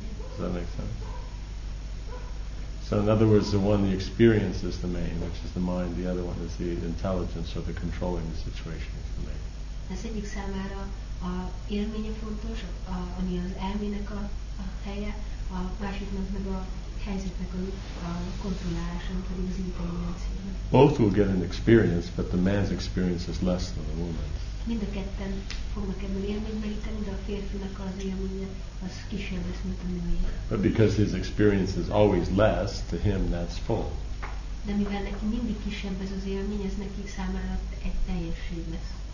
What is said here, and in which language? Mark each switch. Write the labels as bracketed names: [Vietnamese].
[English] Does that make sense? So in other words, the one, the experience is the main, which is the mind, the other one is the intelligence or the controlling the situation is the main. [Hungarian] Ez egyik számára a élménye fontos, ami az elmének a helye, a másiknak meg a helyzetnek a kontrollálása, pedig az intelligencia. [English] Both will get an experience, but the man's experience is less than the woman's. [Hungarian] Mind a ketten fognak ebből élményt meríteni, de a férfinak az élménye az kisebb lesz, mint a női. [English] But because his experience is always less, to him that's full. [Hungarian] De mivel neki mindig kisebb ez az élmény, ez neki számára egy teljesség lesz.